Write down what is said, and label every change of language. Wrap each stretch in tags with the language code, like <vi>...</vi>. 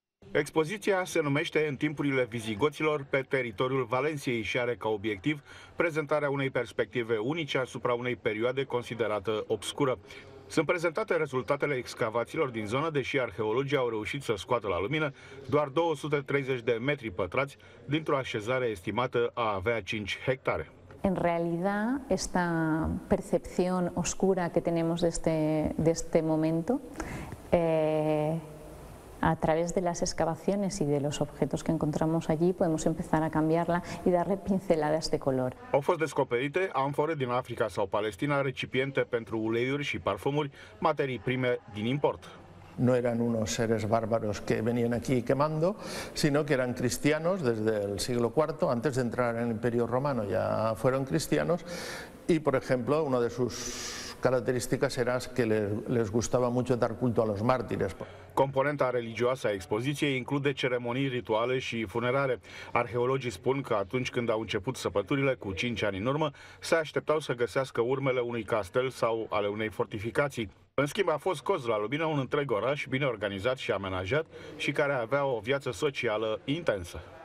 <ro>Expoziția se numește În timpurile vizigoților pe teritoriul Valenciei și are ca obiectiv prezentarea unei perspective unice asupra unei perioade considerată obscură. Sunt prezentate rezultatele excavațiilor din zonă, deși arheologii au reușit să scoată la lumină doar 230 de metri pătrați dintr-o așezare estimată a avea 5 hectare.</ro> <es>En realidad, esta percepción oscura que tenemos de este momento, a través de las excavaciones y de los objetos que encontramos allí, podemos empezar a cambiarla y darle pinceladas de color.</es> <ro>Au fost descoperite amfore din Africa sau Palestina, recipiente pentru uleiuri și parfumuri, materii prime din import.</ro> <es>No eran unos seres bárbaros que venían aquí quemando, sino que eran cristianos desde el siglo IV, antes de entrar en el Imperio Romano ya fueron cristianos, y por ejemplo, una de sus características era que les gustaba mucho dar culto a los mártires.</es> <ro>Componenta religioasă a expoziției include ceremonii rituale și funerare. Arheologii spun că atunci când au început săpăturile, cu 5 ani în urmă, se așteptau să găsească urmele unui castel sau ale unei fortificații. În schimb, a fost scos la lumină un întreg oraș bine organizat și amenajat și care avea o viață socială intensă.</ro>